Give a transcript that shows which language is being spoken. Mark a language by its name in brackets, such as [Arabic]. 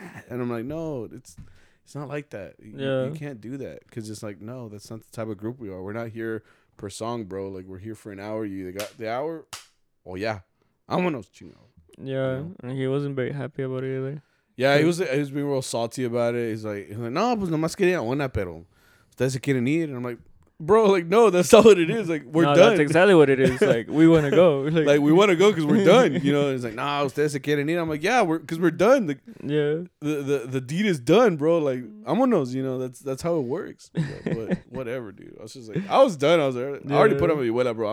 [English] And I'm like, no, it's not like that. You can't do that. Because it's like, no, that's not the type of group we are. We're not here per song, bro. Like, we're here for an hour. You got the hour? Oh yeah, I'm gonna chingo. Yeah, and he wasn't very happy about it either. Yeah, he was being real salty about it. He's like, [Spanish] no, pues nomás quería una, pero ustedes se quieren ir. [English] And I'm like, bro, like, no, that's not what it is. Like, we're done. That's exactly what it is. Like, we want to go. Like, we want to go because we're done. You know, it's like, nah, [Spanish] ustedes se quieren ir. [English] I'm like, yeah, because we're done. The deed is done, bro. Like, I'm one of those, you know, that's how it works. But whatever, dude. I was just like, I was done. I was like, yeah. I already put on my abuela, bro.